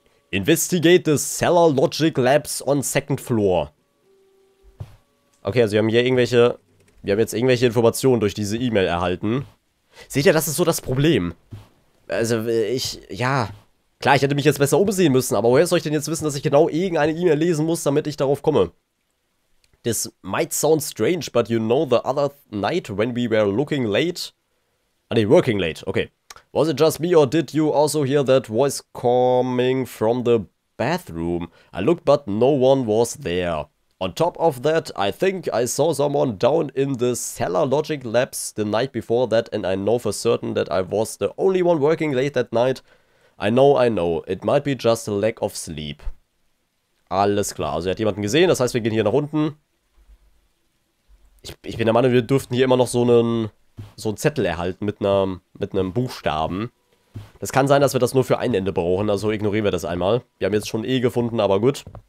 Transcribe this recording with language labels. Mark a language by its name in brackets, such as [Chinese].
[English] Investigate the Cellar Logic Labs on second floor. [German] Okay, also wir haben hier irgendwelche. Wir haben jetzt irgendwelche Informationen durch diese E-Mail erhalten. Seht ihr, das ist so das Problem. Also, ja, klar, ich hätte mich jetzt besser umsehen müssen, aber woher soll ich denn jetzt wissen, dass ich genau irgendeine E-Mail lesen muss, damit ich darauf komme? [English] This might sound strange, but you know the other night when we were looking late. [German] Ah, nee, [English] working late, okay. Was it just me or did you also hear that voice coming from the bathroom? I looked but no one was there. On top of that, I think I saw someone down in the cellar logic labs the night before that, and I know for certain that I was the only one working late that night. I know, it might be just a lack of sleep. [German] Alles klar, also er hat jemanden gesehen, das heißt wir gehen hier nach unten. Ich bin der Meinung, wir dürften hier immer noch so einen Zettel erhalten mit einem Buchstaben. Das kann sein, dass wir das nur für ein Ende brauchen, also ignorieren wir das einmal. Wir haben jetzt schon E gefunden, aber gut.